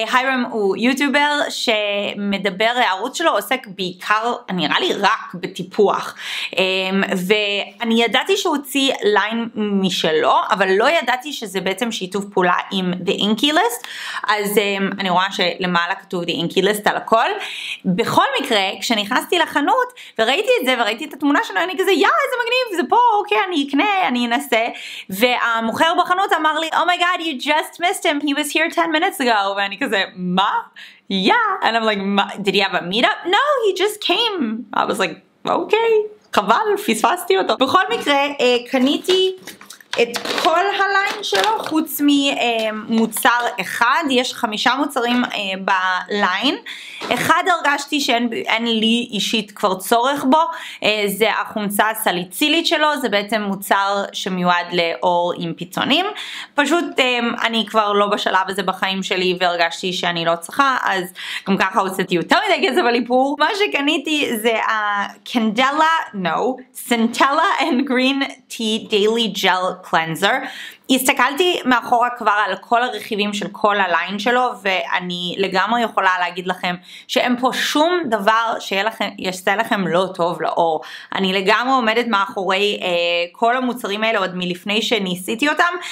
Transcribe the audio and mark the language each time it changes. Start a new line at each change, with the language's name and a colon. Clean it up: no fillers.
Hebrew: היירם הוא יוטיובר שמדבר, הערוץ שלו עוסק בעיקר, נראה לי רק בטיפוח, ואני ידעתי שהוציא ליין משלו, אבל לא ידעתי שזה בעצם שיתוף פעולה עם The Inky List, אז אני רואה שלמעלה כתוב The Inky List על הכל. בכל מקרה, כשנכנסתי לחנות וראיתי את זה וראיתי את התמונה שלו, אני כזה, יא, איזה מגניב, זה פה, אוקיי, אני אקנה, אני אנסה, והמוכר בחנות אמר לי,
English: Oh my god, you just missed him, he was here 10 minutes ago,
Hebrew: ואני כזה, מה?
English: יא, and I'm like, did he have a meetup? No, he just came. I was like,
Hebrew: אוקיי, חבל, פספסתי אותו. בכל מקרה, קניתי את כל הליין שלו, חוץ ממוצר אחד, יש חמישה מוצרים בליין. אחד הרגשתי שאין לי אישית כבר צורך בו, זה החומצה הסליצילית שלו, זה בעצם מוצר שמיועד לאור עם פיצונים. פשוט אני כבר לא בשלב הזה בחיים שלי והרגשתי שאני לא צריכה, אז גם ככה הוצאתי יותר מדי כסף על איפור. מה שקניתי זה הקנדלה, סנטלה and green tea daily gel cleanser. הסתכלתי מאחורה כבר על כל הרכיבים של כל הליין שלו, ואני לגמרי יכולה להגיד לכם שאין פה שום דבר שיעשה לכם לא טוב לאור. אני לגמרי עומדת מאחורי כל המוצרים האלה עוד מלפני שניסיתי אותם.